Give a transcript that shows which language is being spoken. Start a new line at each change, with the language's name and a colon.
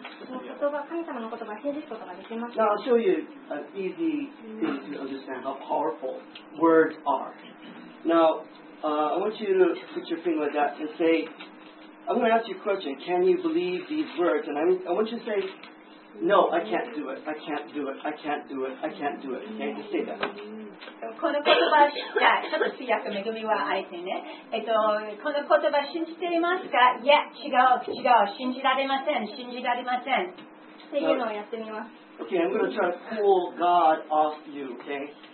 English: Now I'll show you an easy thing to understand how powerful words are. Now, I want you to put your finger like that and say, I'm going to ask you a question. Can you believe these words? And I want you to say, no, I can't do it. I can't do it. I can't do it. I can't do it. Okay, just say that.
Japanese: この言葉、じゃあちょっと通訳めぐみは相手ね。この言葉信じていますか？いや、違う。信じられません。信じられません。っていうのをやってみます。
English: Okay, I'm going to try to pull God off you, okay?